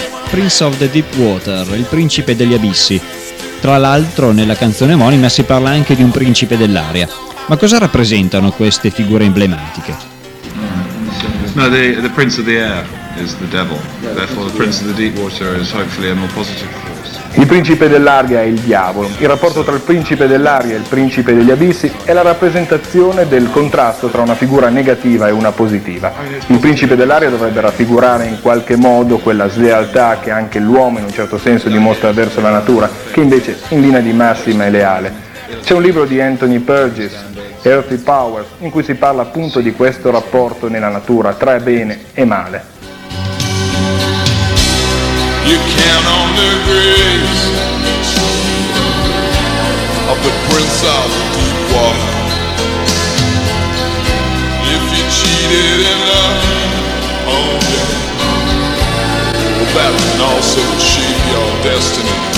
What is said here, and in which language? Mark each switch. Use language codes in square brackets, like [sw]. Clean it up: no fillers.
[it] Prince of the Deepwater, il principe degli abissi. Tra l'altro, nella canzone omonima si parla anche di un principe dell'aria. Ma cosa rappresentano queste figure emblematiche? [en] No, the prince of the air is the devil. Therefore the prince of the deep water is hopefully a more positive force. [it] Il principe dell'aria è il diavolo. Il rapporto tra il principe dell'aria e il principe degli abissi è la rappresentazione del contrasto tra una figura negativa e una positiva. Il principe dell'aria dovrebbe raffigurare in qualche modo quella slealtà che anche l'uomo in un certo senso dimostra verso la natura, che invece in linea di massima è leale. C'è un libro di Anthony Burgess, Earthy Powers, in cui si parla appunto di questo rapporto nella natura tra bene e male. [en] You count on the grace of the Prince of Deep Water. If you cheated in love, oh yeah, that can also achieve your destiny.